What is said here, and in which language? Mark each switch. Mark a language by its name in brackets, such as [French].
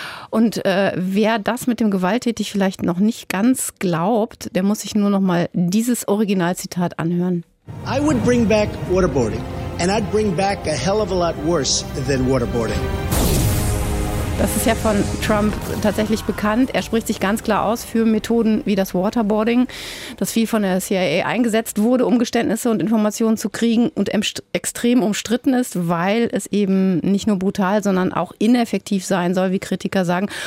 [German] Und wer das mit dem gewalttätig vielleicht noch nicht ganz glaubt, der muss sich nur noch mal dieses Originalzitat anhören. [English] I would bring back waterboarding and I'd bring back a hell of a lot worse than waterboarding. [German] Das ist ja von Trump tatsächlich bekannt. Er spricht sich ganz klar aus für Methoden wie das Waterboarding, das viel von der CIA eingesetzt wurde, um Geständnisse und Informationen zu kriegen und extrem umstritten ist, weil es eben nicht nur brutal, sondern auch ineffektiv sein soll, wie Kritiker sagen.